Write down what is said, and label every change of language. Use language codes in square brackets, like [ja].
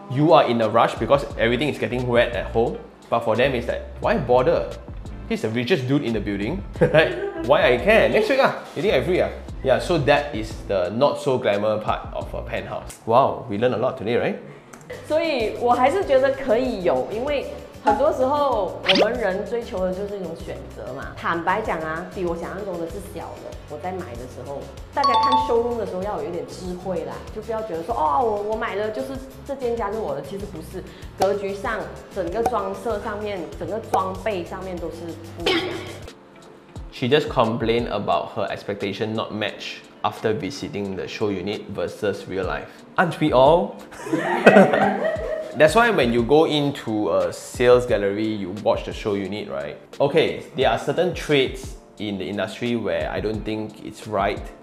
[en] You are in a rush because everything is getting wet at home. But for them, it's like, why bother? He's the richest dude in the building, right? Why I care? Next week, you think I free? Yeah, so that is the not so glamour part of a penthouse. Wow, we learned a lot today, right? So I still think it's possible, because [zh] 很多时候我们人追求的就是一种选择嘛。坦白讲啊，比我想象中的是小的。我在买的时候，大家看showroom的时候要有一点智慧啦，就不要觉得说哦，我买的就是这间家是我的，其实不是。格局上、整个装设上面、整个装备上面都是不一样的。 [en] She just complained about her expectation not match after visiting the show unit versus real life. Aren't we all? That's why when you go into a sales gallery, you watch the show unit, right? Okay, there are certain traits in the industry where I don't think it's right.